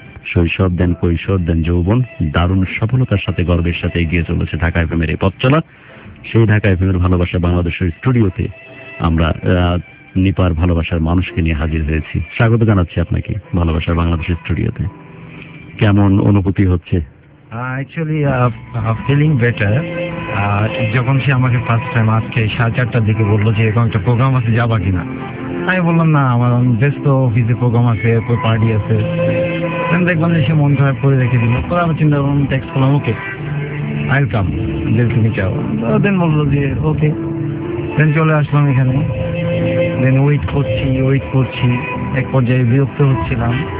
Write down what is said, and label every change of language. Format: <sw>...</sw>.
<bn>শৈশব দেন কৈশোর দেন যৌবন, দারুণ সফলতার সাথে গর্বের সাথে এগিয়ে চলেছে ঢাকা FM এর এই পথ চলা, সেই ঢাকা FM এর ভালোবাসা বাংলাদেশের স্টুডিওতে আমরা নিপার ভালোবাসার মানুষকে নিয়ে হাজির হয়েছি। স্বাগত জানাচ্ছি আপনাকে ভালোবাসার বাংলাদেশের স্টুডিওতে, কেমন অনুভূতি হচ্ছে?</bn> <en>Actually, feeling better.</en> <bn>যখন সে আমাকে ফার্স্ট টাইম আজকে 4:30 দিকে বললো যে এরকম একটা প্রোগ্রাম আছে যাবা কিনা, আমি বললাম না আমার ব্যস্ত অফিসে প্রোগ্রাম আছে, কোনো পার্টি আছে, দেখবেন সে মন খারাপ করে রেখে দিল, তারপর আমি চিন্তা করলাম টেক্সট করলাম</bn> <en>okay I'll come</en> <bn>যে তুমি চাও, দেন বললো যে ওকে, দেন চলে আসলাম এখানে, দেন ওয়েট করছি ওয়েট করছি, এক পর্যায়ে বিরক্ত হচ্ছিলাম,</bn>